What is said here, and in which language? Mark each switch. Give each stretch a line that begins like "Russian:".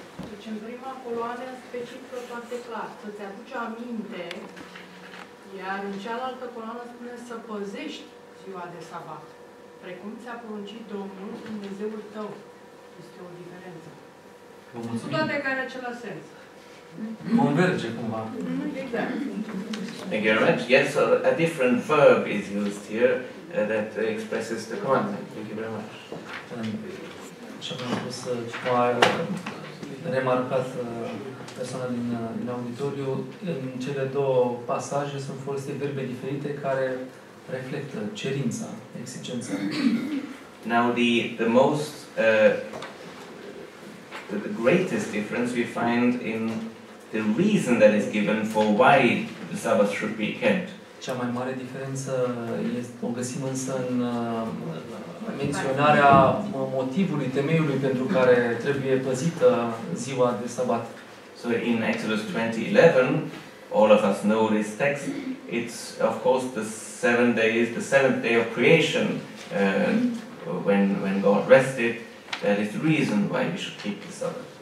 Romanian: Deci în prima coloană specifică foarte clar, să-ți aduci aminte, iar în cealaltă coloană spune să păzești ziua de sabat. Precum ți-a poruncit Domnul, Dumnezeul tău. Este o diferență. Sunt toate care același sens. Converge cumva.
English: Thank you very much. Yes, so a different verb is used here that expresses the content. Thank you very much.
Romanian: Și am pus ceva remarcat persoana din auditoriu. În cele două pasaje sunt folosite verbe diferite care reflectă cerința, exigența.
English: Now the most the greatest difference we find in the reason that is given for why the Sabbath should be kept.
Romanian: Cea mai mare diferență este, o găsim însă în menționarea motivului, temeiului pentru care trebuie păzită ziua de Sabbat.
English: So in Exodus 20:11, all of us know this text, it's of course the seventh day of creation, when God rested, that is the reason why we should keep the Sabbath.